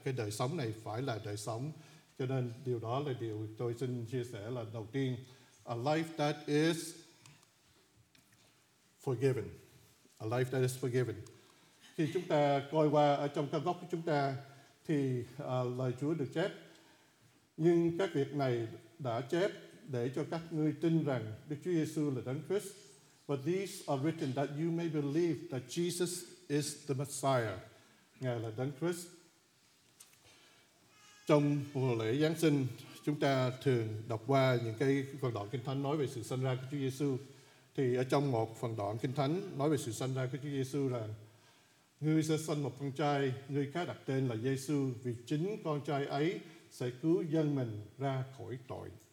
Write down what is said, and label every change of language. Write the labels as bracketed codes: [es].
[vi] Cái đời sống này phải là đời sống. Cho nên điều đó là điều tôi xin chia sẻ là đầu tiên, [en] a life that is forgiven. A life that is forgiven. [vi] Khi chúng ta coi qua ở trong căn gốc của chúng ta thì lời Chúa được chép. Nhưng các việc này đã chép để cho các ngươi tin rằng Đức Chúa Giêsu là Đấng Christ. [en] But these are written that you may believe that Jesus is the Messiah. [vi] Ngài là Đấng Christ. Trong mùa lễ Giáng sinh, chúng ta thường đọc qua những cái phần đoạn Kinh Thánh nói về sự sanh ra của Chúa Giêsu. Thì ở trong một phần đoạn Kinh Thánh nói về sự sanh ra của Chúa Giêsu rằng ngươi sẽ sanh một con trai, ngươi khá đặt tên là Giêsu, vì chính con trai ấy sẽ cứu dân mình ra khỏi tội.